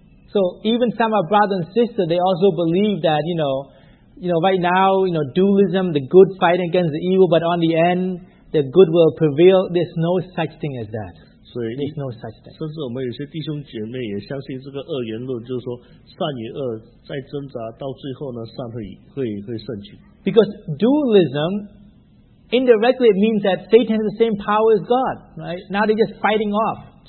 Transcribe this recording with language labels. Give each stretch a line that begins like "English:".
English: So even some of our brothers and sisters, they also believe that, you know, right now, you know, dualism, the good fighting against the evil, but on the end, the good will prevail. There's no such thing as that. There's no such thing.
Chinese: 甚至我们有些弟兄姐妹也相信这个恶言论，就是说善与恶在挣扎，到最后呢，善会胜取。
English: Because dualism, indirectly, it means that Satan has the same power as God, right? Now they're just fighting off.